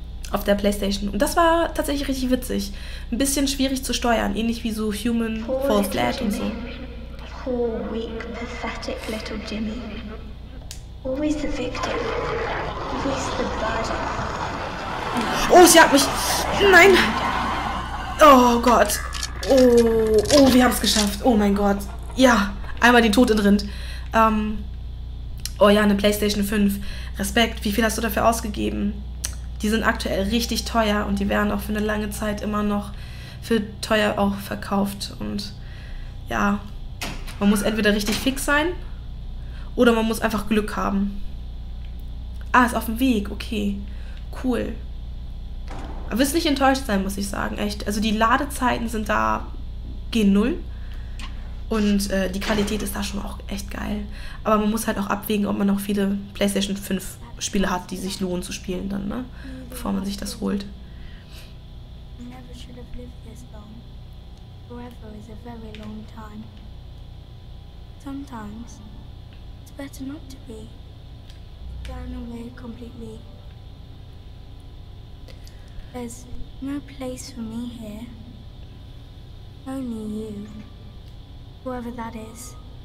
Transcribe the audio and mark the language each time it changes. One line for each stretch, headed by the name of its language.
German: auf der PlayStation. Und das war tatsächlich richtig witzig. Ein bisschen schwierig zu steuern, ähnlich wie so Human Fall Flat und so.
English: Poor, weak, pathetic little Jimmy. Always the victim. Always the burden.
German: Oh, sie hat mich... Nein! Oh Gott! Oh, wir haben es geschafft! Oh mein Gott! Ja, einmal den Tod entrinnt. Oh ja, eine PlayStation 5. Respekt, wie viel hast du dafür ausgegeben? Die sind aktuell richtig teuer und die werden auch für eine lange Zeit immer noch für teuer auch verkauft. Und ja, man muss entweder richtig fix sein oder man muss einfach Glück haben. Ah, ist auf dem Weg. Okay. Cool. Aber wirst nicht enttäuscht sein, muss ich sagen. Echt. Also die Ladezeiten sind da gehen null. Und die Qualität ist da schon auch echt geil. Aber man muss halt auch abwägen, ob man noch viele PlayStation 5 Spiele hat, die sich lohnen zu spielen dann, ne? Bevor man sich das holt.
English: Forever is a very long time. Sometimes it's better not to be. Gone away completely. There's no place for me here. Only you. Whoever that is.